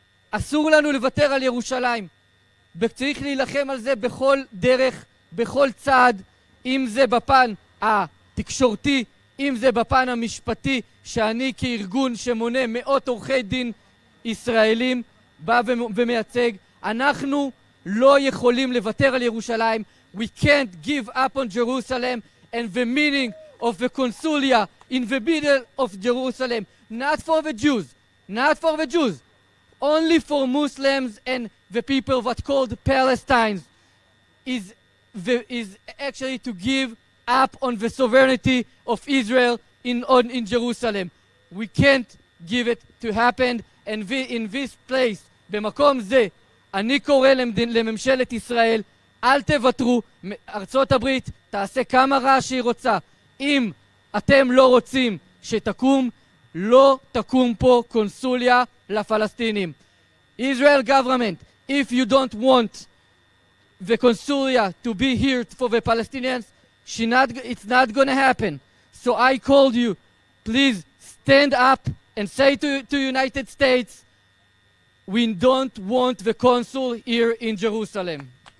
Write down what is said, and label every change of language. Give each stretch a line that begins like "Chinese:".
Hebrew: אסור לנו לוותר על ירושלים, וצריך להילחם על זה בכל דרך, בכל צעד, אם זה בפן התקשורתי, אם זה בפן המשפטי, שאני כארגון שמונה מאות עורכי דין ישראלים בא ומייצג. אנחנו לא יכולים לוותר על ירושלים.
English: We can't give up on Jerusalem and the meaning of the consulia in the middle of Jerusalem. Not for the Jews, not for the Jews, only for Muslims and the people that called Palestinians is actually to give up on the sovereignty of Israel in Jerusalem. We can't give it to happen. And we, in this place,
Hebrew: במקום זה, אני קורא לממשלת ישראל, אל תוותרו, ארצות הברית תעשה כמה רע שהיא רוצה. אם אתם לא רוצים שתקום, לא תקום פה קונסוליה לפלסטינים.
English: Israel government, if you don't want the consulia to be here for the Palestinians, it's not going to happen. So I called you, please stand up and say to United States, we don't want the consul here in Jerusalem.